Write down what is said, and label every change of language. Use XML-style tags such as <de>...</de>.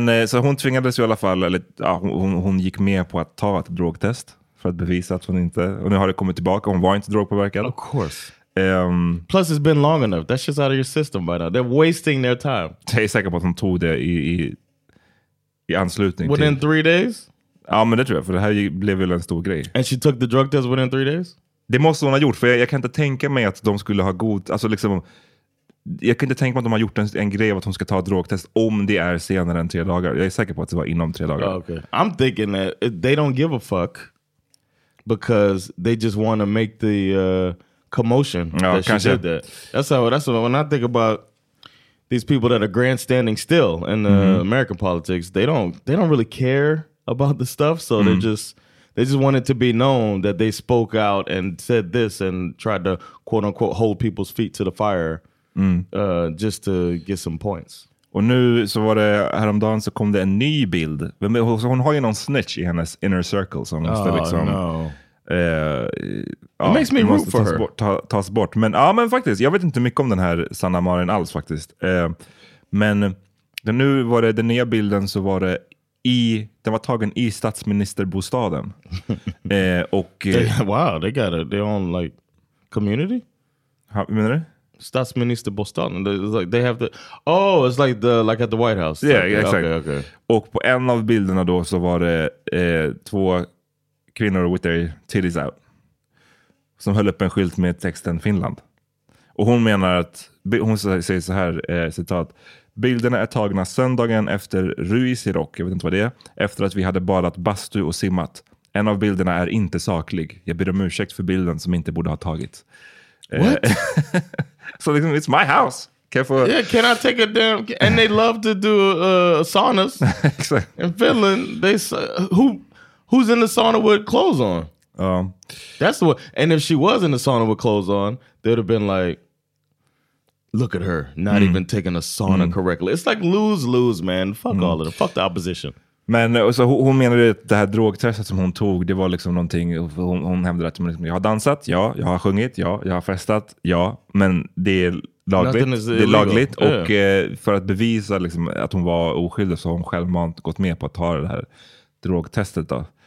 <sv>Men så hon tvingades ju i alla fall, eller hon gick med på att ta ett drogtest för att bevisa att hon inte, och nu har det kommit tillbaka, hon var inte drogpåverkad.</sv> <en>Of course. Plus it's been long enough. That shit's out of your system by now. They're wasting their time.</en> <sv>Jag är säker på att hon tog det i anslutning</sv> <en>within</en> <sv>till.</sv> <en>Within 3 days?</en> <sv>Ja, men det tror jag, för det här blev väl en stor grej.</sv> <en>And she took the drug test within 3 days?</en> <sv>Det måste hon ha gjort, för jag kan inte tänka mig att de skulle ha god, alltså liksom, jag kan inte tänka mig att de har gjort en grej av att hon ska ta drogtest om det är senare än 3 dagar. Jag är säker på att det var inom 3 dagar.</sv> <en>Okay. I'm thinking that they don't give a fuck because they just want to make the commotion that she did that. That's how when I think about these people that are grandstanding still in the American politics, they don't really care about the stuff, so they just want it to be known that they spoke out and said this and tried to quote unquote hold people's feet to the fire. Just to get some points.</en> <sv>Och nu så var det häromdagen så kom det en ny bild. Hon har ju någon snitch i hennes</sv> <en>inner circle</en> <sv>som måste liksom.</sv> <en>It makes me root for her.</en> <sv>Tas bort. Men ja, men faktiskt, jag vet inte mycket om den här Sanna Marin alls faktiskt. Men nu var det den nya bilden, så var det den var tagen i statsministerbostaden.</sv> <en>wow, they got it. They're on like community.</en> <sv>Menar du? Statsminister Boston.</sv> <en>Like they have the, oh, it's like the, like at the White House. Yeah, yeah, exactly. Okay.</en> <sv>Och på en av bilderna då så var det två kvinnor</sv> <en>with their titties out</en> <sv>som höll upp en skylt med texten Finland. Och hon menar att, hon säger så här, citat: bilderna är tagna söndagen efter Ruisirock, jag vet inte vad det är, efter att vi hade badat bastu och simmat. En av bilderna är inte saklig. Jag ber om ursäkt för bilden som inte borde ha tagits.</sv> <en>What? So</en> <sv>liksom,</sv> <en>it's my house. Careful. Yeah, can I take a damn? And they love to do saunas. Exactly. In Finland, they who's in the sauna with clothes on? That's the one. And if she was in the sauna with clothes on, they'd have been like, look at her, not even taking a sauna correctly. It's like lose-lose, man. Fuck all of them. Fuck the opposition.</en> <sv>Men så hon menade att det här drogtestet som hon tog, det var liksom någonting, hon hävdade att liksom, jag har dansat, ja, jag har sjungit, ja, jag har festat, ja, men det är lagligt, det är lagligt. Yeah. Och för att bevisa liksom att hon var oskyldig så har hon självmant gått med på att ta det här drogtestet då.</sv>